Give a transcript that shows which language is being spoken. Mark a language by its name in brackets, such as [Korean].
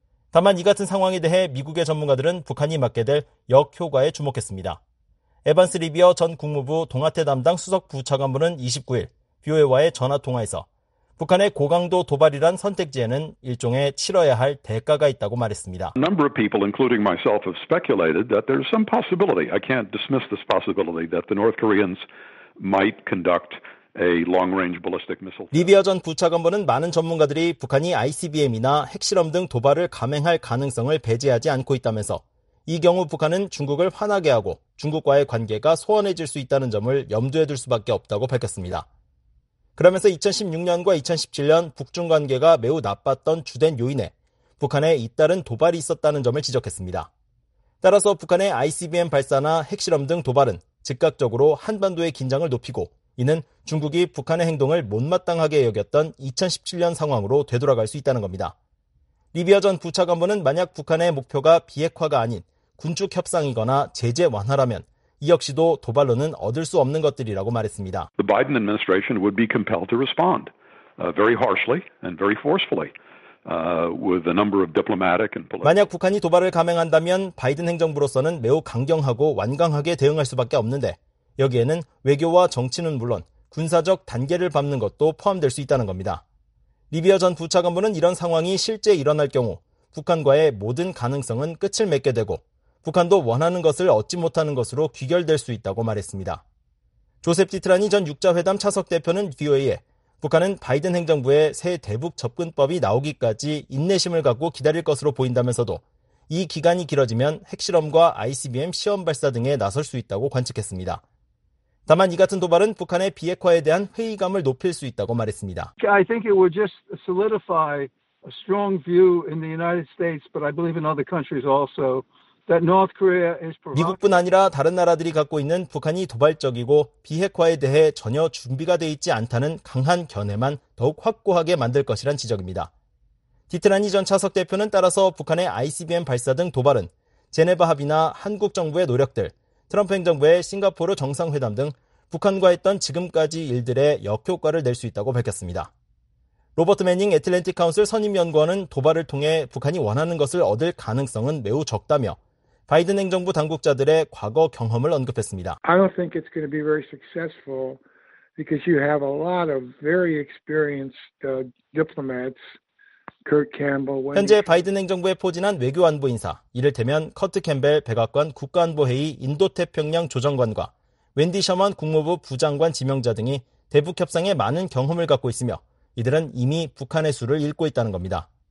[Korean] 다만 이 같은 상황에 대해 미국의 전문가들은 북한이 맞게 될 역효과에 주목했습니다. 에반스 리비어 전 국무부 동아태 담당 수석 부차관부는 29일 BOA와의 전화통화에서 북한의 고강도 도발이란 선택지에는 일종의 치러야 할 대가가 있다고 말했습니다. [English] A number of people, including myself, have speculated that there's some possibility. I can't dismiss this possibility that the North Koreans might conduct a long-range ballistic missile. [Korean] 리비어 전 부차관부는 많은 전문가들이 북한이 ICBM이나 핵실험 등 도발을 감행할 가능성을 배제하지 않고 있다면서 이 경우 북한은 중국을 화나게 하고 중국과의 관계가 소원해질 수 있다는 점을 염두에 둘 수밖에 없다고 밝혔습니다. 그러면서 2016년과 2017년 북중 관계가 매우 나빴던 주된 요인에 북한에 잇따른 도발이 있었다는 점을 지적했습니다. 따라서 북한의 ICBM 발사나 핵실험 등 도발은 즉각적으로 한반도의 긴장을 높이고 이는 중국이 북한의 행동을 못마땅하게 여겼던 2017년 상황으로 되돌아갈 수 있다는 겁니다. 리비아 전 부차관부는 만약 북한의 목표가 비핵화가 아닌 군축 협상이거나 제재 완화라면 이 역시도 도발로는 얻을 수 없는 것들이라고 말했습니다. [English] The Biden administration would be compelled to respond very harshly and very forcefully with a number of diplomatic and political. [Korean] 만약 북한이 도발을 감행한다면 바이든 행정부로서는 매우 강경하고 완강하게 대응할 수밖에 없는데 여기에는 외교와 정치는 물론 군사적 단계를 밟는 것도 포함될 수 있다는 겁니다. 리비아 전 부차관부는 이런 상황이 실제 일어날 경우 북한과의 모든 가능성은 끝을 맺게 되고 북한도 원하는 것을 얻지 못하는 것으로 귀결될 수 있다고 말했습니다. 조셉 디트라니 전 6자회담 차석 대표는 VOA에 북한은 바이든 행정부의 새 대북 접근법이 나오기까지 인내심을 갖고 기다릴 것으로 보인다면서도 이 기간이 길어지면 핵실험과 ICBM 시험 발사 등에 나설 수 있다고 관측했습니다. 다만 이 같은 도발은 북한의 비핵화에 대한 회의감을 높일 수 있다고 말했습니다. [English] I think it would just solidify a strong view in the United States, but I believe in other countries also. [Korean] 미국뿐 아니라 다른 나라들이 갖고 있는 북한이 도발적이고 비핵화에 대해 전혀 준비가 돼 있지 않다는 강한 견해만 더욱 확고하게 만들 것이란 지적입니다. 디트라니 전 차석 대표는 따라서 북한의 ICBM 발사 등 도발은 제네바 합의나 한국 정부의 노력들, 트럼프 행정부의 싱가포르 정상회담 등 북한과 했던 지금까지 일들의 역효과를 낼 수 있다고 밝혔습니다. 로버트 매닝 애틀랜틱 카운슬 선임연구원은 도발을 통해 북한이 원하는 것을 얻을 가능성은 매우 적다며 바이든 행정부 당국자들의 과거 경험을 언급했습니다. [English] I don't think it's going to be very successful because you have a lot of very experienced diplomats. Kurt Campbell. [Korean] 현재 바이든 행정부에 포진한 외교안보 인사, 이를테면 커트 캠벨 백악관 국가안보회의 인도태평양 조정관과 웬디 셔먼 국무부 부장관 지명자 등이 대북 협상에 많은 경험을 갖고 있으며 이들은 이미 북한의 수를 읽고 있다는 겁니다.